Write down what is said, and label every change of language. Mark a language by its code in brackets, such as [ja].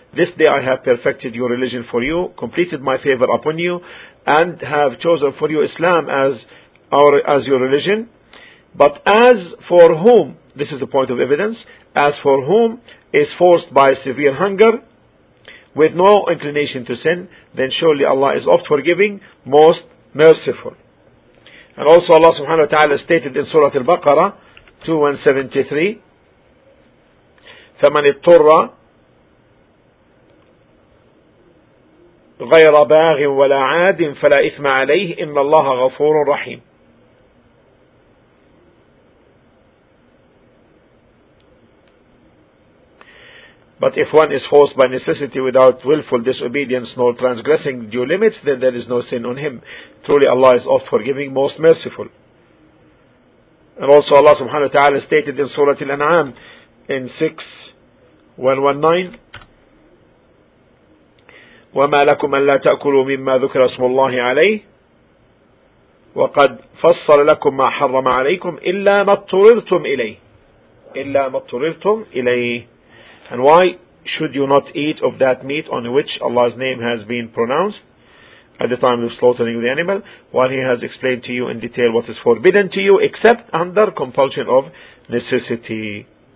[en] This day I have perfected your religion for you, completed my favor upon you, and have chosen for you Islam as your religion. But as for whom, this is the point of evidence, as for whom is forced by severe hunger with no inclination to sin, then surely Allah is oft forgiving, most merciful. And also Allah subhanahu wa ta'ala stated in Surah Al-Baqarah 2173, [ar] فَمَنِ اضْطُرَّ غَيْرَ بَاغٍ وَلَا عَادٍ فَلَا إِثْمَ عَلَيْهِ إِنَّ اللَّهَ غَفُورٌ رَحِيمٌ. [en] But if one is forced by necessity without willful disobedience nor transgressing due limits, then there is no sin on him. Truly Allah is oft forgiving, most merciful. And also Allah subhanahu wa ta'ala stated in Surah Al-An'am in 6:119, [ar] وَمَا لَكُمْ أَلَّا تَأْكُلُوا مِمَّا ذُكْرَ اسْمُ اللَّهِ عَلَيْهِ وَقَدْ فَصَّلَ لَكُمْ مَا حَرَّمَ عَلَيْكُمْ إِلَّا مَا اضْطُرِرْتُمْ إِلَيْهِ إِلَّا مَا اضْطُرِرْتُمْ إِلَيْهِ. [en] And why should you not eat of that meat on which Allah's name has been pronounced at the time of slaughtering the animal, while He has explained to you in detail what is forbidden to you, except under compulsion of necessity?